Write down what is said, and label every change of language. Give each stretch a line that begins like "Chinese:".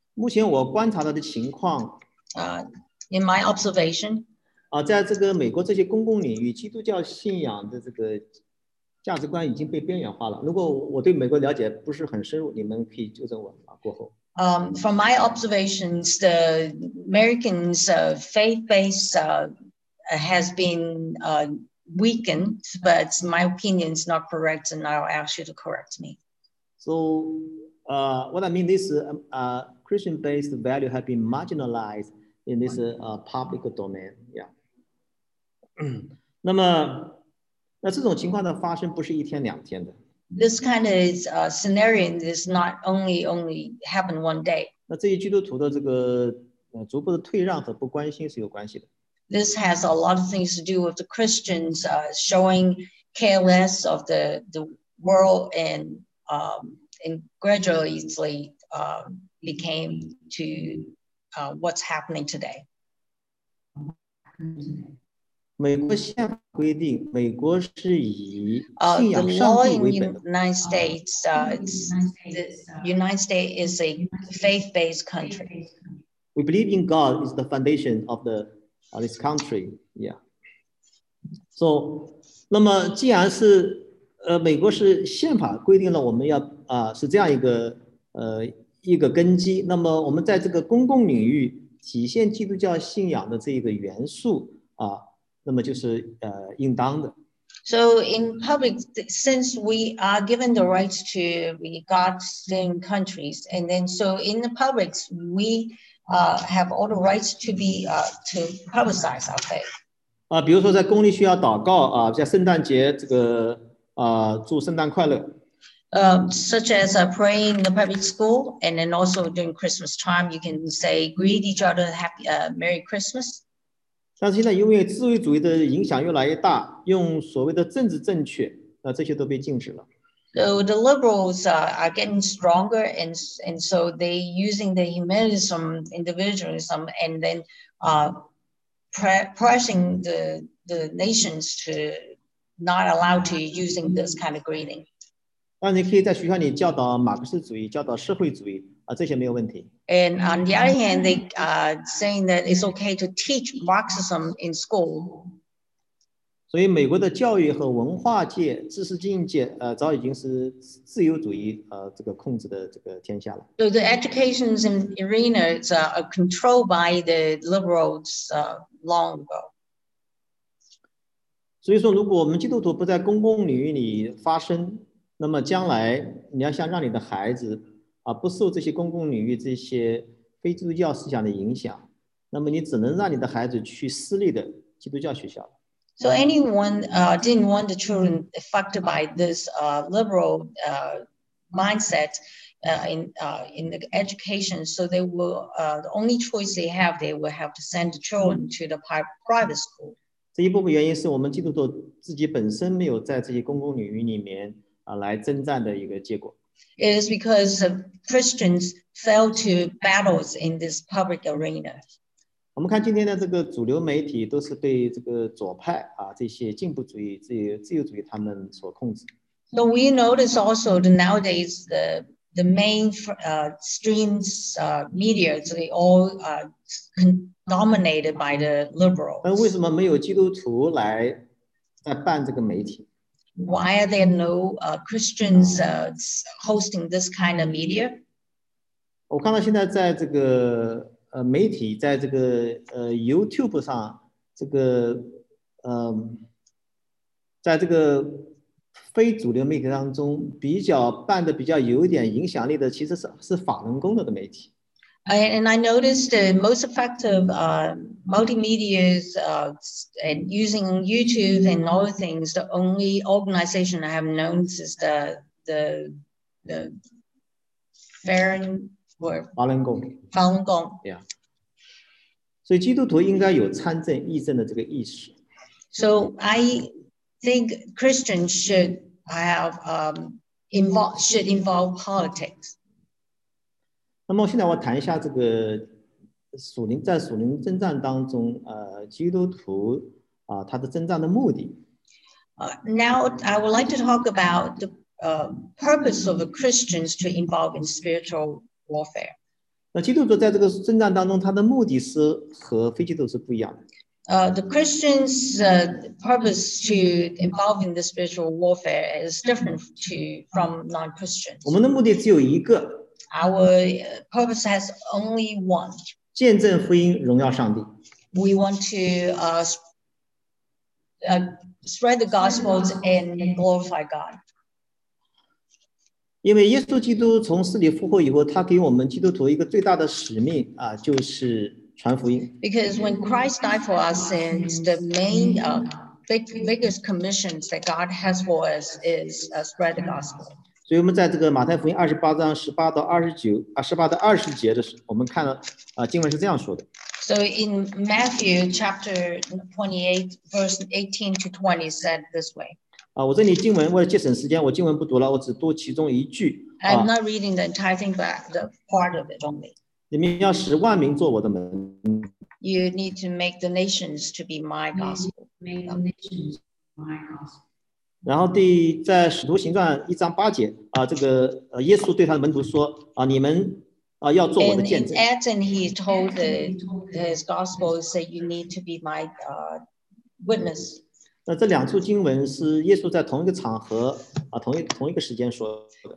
Chinese: 目前我观察到的情况。
English: In my observation,
Chinese: 在这个美国这些公共领域，基督教信仰的这个价值观已经被边缘化了。如果我对美国了解不是很深入，你们可以纠正我啊，过后。
English: From my observations, the Americans faith base has been weakened, but my opinion is not correct, and I'll ask you to correct me. So, what I mean is, Christian based value have been marginalized. In this public domain, yeah.
Chinese: 那么，那这种情况的发生不是一天两天的。
English: This kind of scenario is not only happen one day.
Chinese: 那这些基督徒的这个逐步的退让和不关心是有关系的。
English: This has a lot of things to do with the Christians showing careless of the world and gradually became to. What's happening today?
Chinese: 美国宪法规定，美国是以信仰上帝为本。
English: United States is a faith-based country. We believe in God is the foundation of this country. Yeah.
Chinese: So, 那么既然是美国是宪法规定了，我们要是这样一个一个根基，那么我们在这个公共领域体现基督教信仰的这个元素那么就是应当的。
English: So in public, since we are given the rights to be God's in countries, and then so in the public, we have all the rights to be to publicize our faith.
Chinese: 比如说在公立需要祷告在圣诞节这个祝圣诞快乐。
English: Such as praying in the public school, and then also during Christmas time, you can say greet each other happy Merry Christmas.
Chinese: 但是现在因为自由主义的影响越来越大，用所谓的政治正确，这些都被禁止了。
English: So the liberals are getting stronger, and so they using the humanism, individualism, and then pressing the nations to not allow to using this kind of greeting.
Chinese: 但你可以在学校里教导马克思主义，教导社会主义这些没有问题。
English: And on the other hand, they are saying that it's okay to teach Marxism in school.
Chinese: 所以美国的教育和文化界、知识经营界早已经是自由主义这个控制的这个天下了。
English: So the education arena is controlled by the liberals long ago.
Chinese: 所以说，如果我们基督徒不在公共领域里发声，那么将来你要想让你的孩子不受这些公共领域这些非基督教思想的影响，那么你只能让你的孩子去私立的基督教学校。
English: So anyone didn't want the children affected by this liberal mindset in the education, so they will the only choice they will have to send the children to the private school.
Chinese: 这一部分原因是我们基督徒自己本身没有在这些公共领域里面。来征战的一个结果。
English: It is because Christians fail to battle in this public arena.
Chinese: 我们看今天的这个主流媒体都是对这个左派这些进步主义、自由主义他们所控制。
English: So we notice also that nowadays the main streams media so they all are dominated by the liberals.
Chinese: 那为什么没有基督徒来在办这个媒体？
English: Why are there no Christians hosting this kind of media?
Chinese: 我看到现在在这个媒体在这个YouTube 上这个在这个非主流媒体当中比较办的比较有点影响力的其实 是法轮功的媒体。
English: And I noticed the most effective multimedia and using YouTube and other things, the only organization I have known is the Falun Gong. Falun Gong. Falun Gong. Yeah.
Chinese: 所以基督徒应该有参政议政的这个意识。
English: So I think Christians should have involve politics.
Chinese: 那么现在我谈一下这个属灵在属灵征战当中基督徒他的征战的目的。
English: Now I would like to talk about the purpose of Christians to involve in spiritual warfare.
Chinese: 那基督徒在这个征战当中他的目的是和非基督徒是不一样的。
English: The Christians purpose to involve in the spiritual warfare is different from non-Christians.
Chinese: 我们的目的只有一个。
English: Our purpose has only one.
Chinese: 见证福音，荣耀上帝。
English: We want to spread the gospels and glorify God.
Chinese: 因为耶稣基督从死里复活以后，他给我们基督徒一个最大的使命就是传福音。
English: Because when Christ died for our sins, the main biggest commission that God has for us is spread the gospel.
Chinese: 所以我们在这个马太福音二十八章十八到二十九啊，十八到二十节的时候，我们看了经文是这样说的。
English: So in Matthew chapter 28, verse 18 to 20, said this way.
Chinese: 我这里经文为了节省时间，我经文不读了，我只读其中一句。
English: I'm not reading the entire thing, but the part of it only.
Chinese: 你们要使万民做我的门。
English: You need to make the nations to be my gospel. Make the nations my gospel.
Chinese: 然后在使徒行传一章八节这个耶稣对他的门徒说你们要做我的见证。
English: And in Acts, he told his gospel, say you need to be my witness.
Chinese: 那这两处经文是耶稣在同一个场合同一个时间说的。